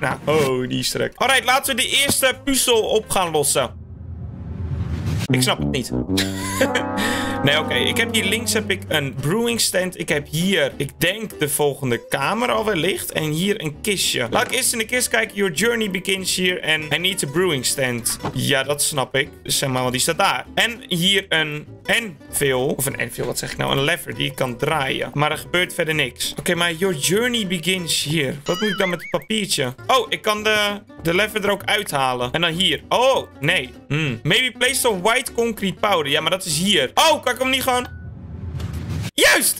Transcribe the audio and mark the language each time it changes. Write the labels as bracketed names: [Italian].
[Dutch] Nou, oh, een easter egg. Alright, laten we de eerste puzzel op gaan lossen. Ik snap het niet. Nee, oké. Ik heb hier links heb ik een brewing stand. Ik heb hier, ik denk, de volgende kamer al wellicht. En hier een kistje. Laat ik eerst in de kist kijken. [English] Your journey begins here. And I need a brewing stand. [Dutch] Ja, dat snap ik. Zeg maar, want die staat daar. En hier een anvil. Of een anvil, wat zeg ik nou? Een lever die ik kan draaien. Maar er gebeurt verder niks. Oké, maar [English] your journey begins here. [Dutch] Wat moet ik dan met het papiertje? Oh, ik kan de lever er ook uithalen. En dan hier. Oh, nee. [English] Maybe place some white concrete powder. [Dutch] Ja, maar dat is hier. Oh, kan ik hem niet gewoon... Juist!